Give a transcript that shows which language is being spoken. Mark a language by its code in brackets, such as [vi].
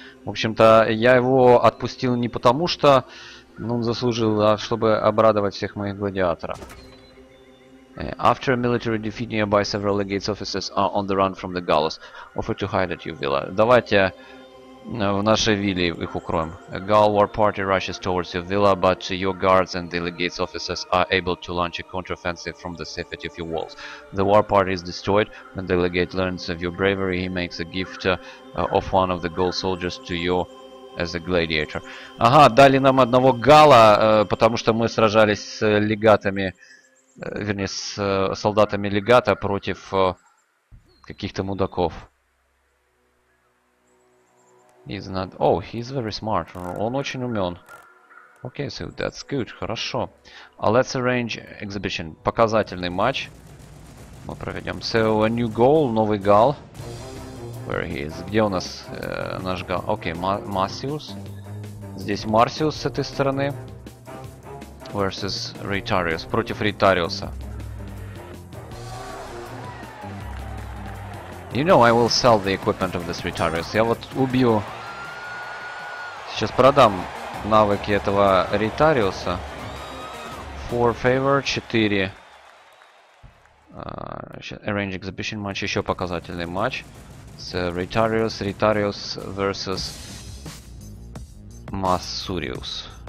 [ru] В общем-то, я его отпустил не потому, что он заслужил, а чтобы обрадовать всех моих гладиаторов. [en] After a military defeat nearby, several legates officers are on the run from the Gallus. Offer to hide at your villa. [ru] Давайте... В нашей вилле их укроем. [en] A Gaul war party rushes towards your villa, but your guards and the legate's officers are able to launch a counteroffensive from the safety of your walls. The war party is destroyed. When the legate learns of your bravery, he makes a gift of one of the Gaul soldiers to you as a gladiator. [ru] Ага, дали нам одного гала, потому что мы сражались с легатами, вернее, с солдатами легата против каких-то мудаков. [en] He's not... Oh, he's very smart. [ru] Он очень умен. [en] Okay, so that's good. [ru] Хорошо. [en] Let's arrange exhibition. [ru] Показательный матч. Мы проведем. [en] So, a new goal. [ru] Новый гал. [en] Where he is? [ru] Где у нас наш гал? Okay, Marcius. Здесь Marcius с этой стороны. [en] Versus Retarius. [ru] Против Retariusа. [en] You know, I will sell the equipment of this Retarius. [ru] Я вот убью... Сейчас продам навыки этого Ритариуса. [en] 4 favor, 4. Arrange exhibition match, [ru] еще показательный матч. [en] So, Ритариус versus Масуриус.